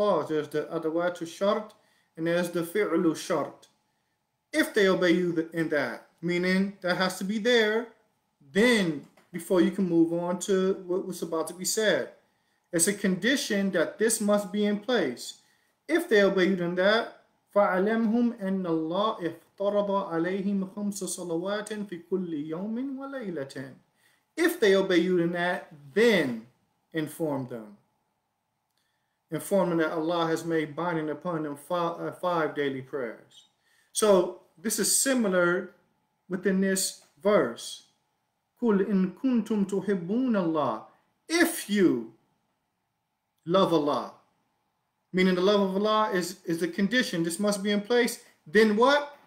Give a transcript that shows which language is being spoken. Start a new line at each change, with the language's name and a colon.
English: There's the adawatu shart, and there's the fi'lu shart. If they obey you in that, meaning that has to be there, then before you can move on to what was about to be said. It's a condition that this must be in place. If they obey you in that,
Arabic: فَعَلَمْهُمْ أَنَّ اللَّهِ افْتَرَضَ عَلَيْهِمْ خَمْسَ صَلَوَاتٍ فِي كُلِّ يَوْمٍ وَلَيْلَةٍ.
English: If they obey you in that, then inform them. Inform them that Allah has made binding upon them five daily prayers. So this is similar within this verse.
Arabic: Kul in kuntum tuhibbun Allah.
English: If you love Allah, meaning the love of Allah is the condition, this must be in place, then what?